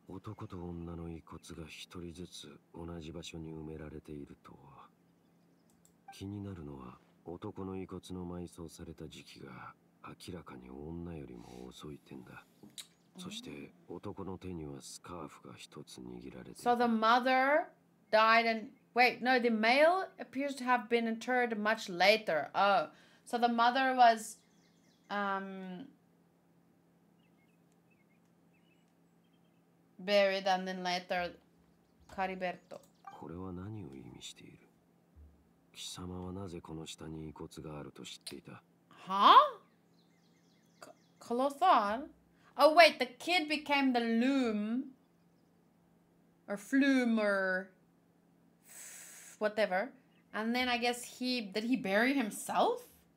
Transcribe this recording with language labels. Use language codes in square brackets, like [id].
[ja] 男と女の遺骨が一人ずつ同じ場所に埋められているとは。気になるのは、男の遺骨の埋葬された時期が。明らかに女よりも遅い点だ。そして男の手にはスカーフが一つ握られている。 [en] So the mother died and wait, no, the male appears to have been interred much later. Oh, so the mother was, buried and then later, Cariberto. [ja] これは何を意味している？貴様はなぜこの下に遺骨があると知っていた？ [en] はあ？Colossal? Oh wait, the kid became the loom or flume or whatever, and then I guess he did he bury himself?